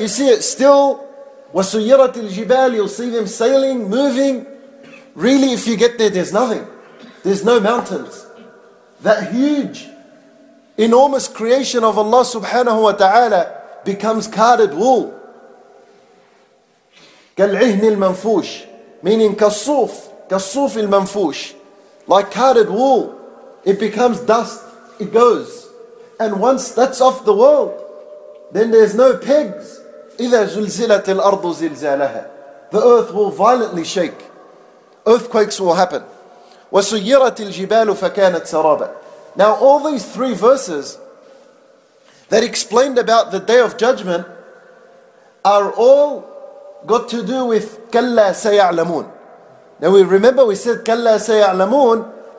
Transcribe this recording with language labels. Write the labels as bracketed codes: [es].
[en] You see it still. [ar] وَسُيِّرَتِ الْجِبَالِ. [en] You'll see them sailing, moving. Really, if you get there, there's nothing. There's no mountains. That huge, enormous creation of Allah subhanahu wa ta'ala becomes carded wool. [ar] كَالْعِهْنِ الْمَنْفُوشِ, [en] meaning [ar] كَالصُّوف, كَالصُّوفِ الْمَنْفُوشِ, [en] like carded wool. It becomes dust, it goes. And once that's off the world, then there's no pegs. [ar] إِذَا زُلْزِلَتِ الْأَرْضُ زِلْزَالَهَا. [en] The earth will violently shake. Earthquakes will happen. [ar] وَسُيِّرَتِ الْجِبَالُ فَكَانَتْ سَرَابًا. [en] Now all these three verses that explained about the Day of Judgment are all got to do with [ar] كَلَّا سَيَعْلَمُونَ. [en] Now we remember we said كَلَّا سَيَعْلَمُونَ,